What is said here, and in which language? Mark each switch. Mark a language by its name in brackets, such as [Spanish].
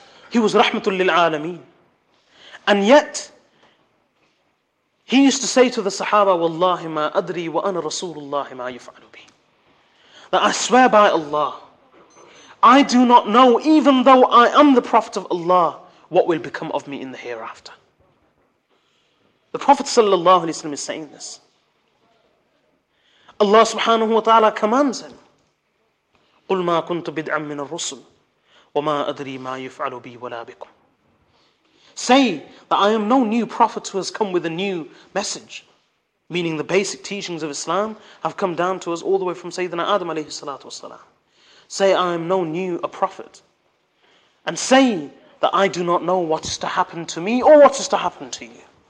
[English] He was rahmatul lil alameen. And yet, he used to say to the Sahaba, [Arabic] Wallahi ma adri wa ana rasulullahi ma yuf'alu bi. [English] That I swear by Allah, I do not know, even though I am the Prophet of Allah, what will become of me in the hereafter. The Prophet sallallahu alayhi wa sallam is saying this. Allah subhanahu wa ta'ala commands him, [Arabic] قُلْ مَا كُنْتُ بِدْعًا مِّنَ الرُّسُلِ وَمَا أَدْرِي مَا يُفْعَلُ بِي وَلَا بِكُمْ. [English] Say that I am no new prophet who has come with a new message, meaning the basic teachings of Islam have come down to us all the way from Sayyidina Adam alayhi salatu wasalam. Say I am no new a prophet. And say that I do not know what is to happen to me or what is to happen to you.